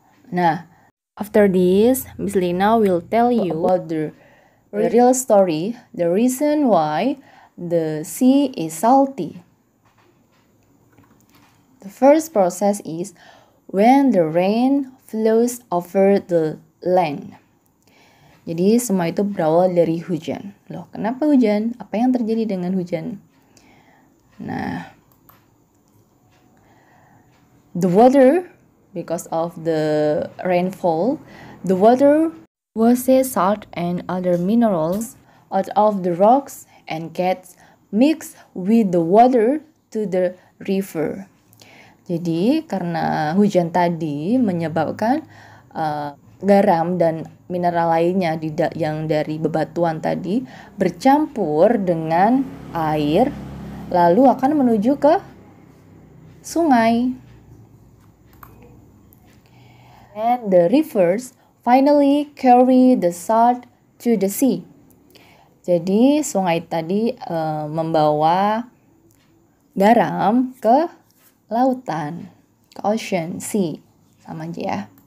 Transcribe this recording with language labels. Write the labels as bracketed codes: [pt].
[en] Nah, after this, Miss Lina will tell you about the real story, the reason why the sea is salty. The first process is when the rain flows over the land. [id] Jadi semua itu berawal dari hujan. Loh, kenapa hujan? Apa yang terjadi dengan hujan? [en] Nah, the water, because of the rainfall, the water washes salt and other minerals out of the rocks and gets mixed with the water to the river. [id] Jadi karena hujan tadi menyebabkan garam dan mineral lainnya yang dari bebatuan tadi bercampur dengan air, lalu akan menuju ke sungai. [en] And the rivers finally carry the salt to the sea. [id] Jadi sungai tadi membawa garam ke lautan, ke ocean, sea, sama aja ya.